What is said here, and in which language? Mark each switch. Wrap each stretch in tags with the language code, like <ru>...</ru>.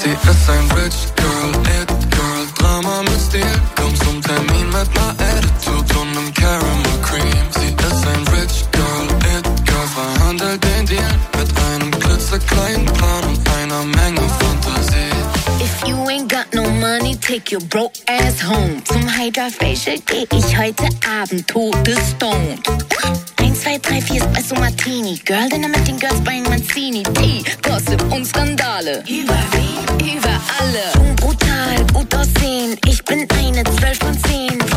<de>Sie ist ein Rich Girl, It-Girl, Drama mit Stil. Komm zum Termin mit einer Attitude und einem Caramel Cream. Sie ist ein Rich Girl, It-Girl, verhandel den Deal mit einem klitzekleinen Plan und einer Menge Fantasie.</de> <en>If you ain't got no money, take your broke ass home.</en> <de>Zum Hydra Facial geh ich heute Abend todestoned. 2, 3, 4 ist Espresso Martini. Girl, dinner mit den Girls bei Mancini. Tee, Gossip und Skandale. Über alle. Jung, brutal, gut aussehen. Ich bin eine 12 von 10.</de>